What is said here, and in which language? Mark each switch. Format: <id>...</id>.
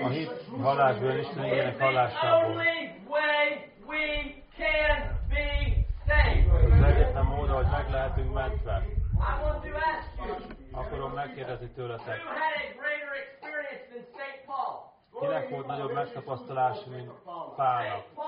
<hu>A hit hallásból, Isten igének hallásából.</hu> <en>The only way we can be saved.</en> <hu>Az egyetlen módon, hogy meg lehetünk mentve.</hu> <en>I want to ask you.</en> <hu>Akarom megkérdezni tőletek.</hu> <en>Who had a greater experience than St. Paul?</en> <hu>Kinek volt nagyobb megtapasztalás, mint Pálnak?</hu>